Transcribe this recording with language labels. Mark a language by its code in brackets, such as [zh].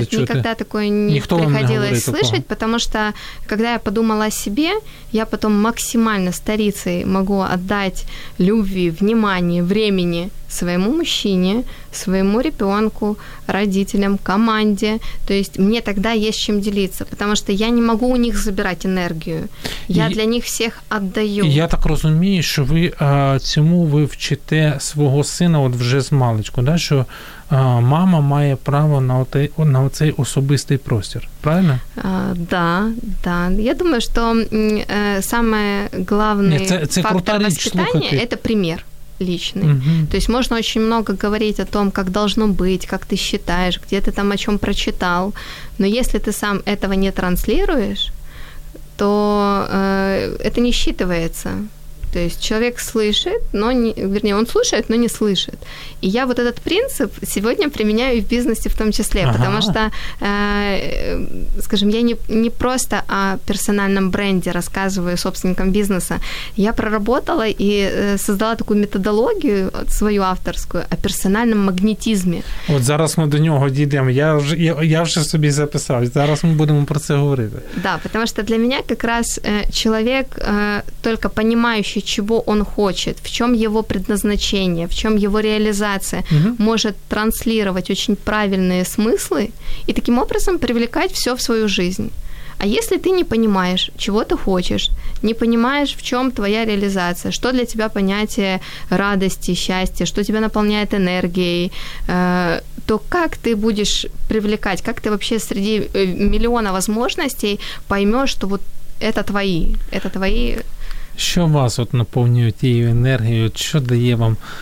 [ru] Нет, никогда такое не приходилось слышать, потому что, когда я подумала о себе, я потом максимально старицей могу отдать любви, внимание, времени своему мужчине, своему ребенку, родителям, команде. То есть мне тогда есть чем делиться, потому что я не могу у них забирать энергию. Я для них всех отдаю. [uk] Я так розумію, що ви цьому ви вчите свого сина от вже з маличку, да, що мама має право на цей особистий простір. Правильно? [ru] Да, да. Я думаю, що самое главное [uk] це крута річ, слухати. [ru] Это пример. Личный. Угу. То есть можно очень много говорить о том, как должно быть, как ты считаешь, где ты там о чем прочитал. Но если ты сам этого не транслируешь, то это не считывается. То есть человек слышит, но не, вернее, он слушает, но не слышит. И я вот этот принцип сегодня применяю и в бизнесе в том числе, ага. Потому что, скажем, я не просто о персональном бренде рассказываю собственникам бизнеса. Я проработала и создала такую методологию свою авторскую о персональном магнетизме. [uk] Вот зараз мы до него дійдемо. Я вже собі записав. Зараз мы будем про це говорити. [ru] Да, потому что для меня как раз человек, только понимающий, чего он хочет, в чем его предназначение, в чем его реализация, угу. Может транслировать очень правильные смыслы и таким образом привлекать все в свою жизнь. А если ты не понимаешь, чего ты хочешь, не понимаешь, в чем твоя реализация, что для тебя понятие радости, счастья, что тебя наполняет энергией, то как ты будешь привлекать, как ты вообще среди миллиона возможностей поймешь, что вот это твои... [uk] Що вас от наповнює тією енергією? Що дає вам?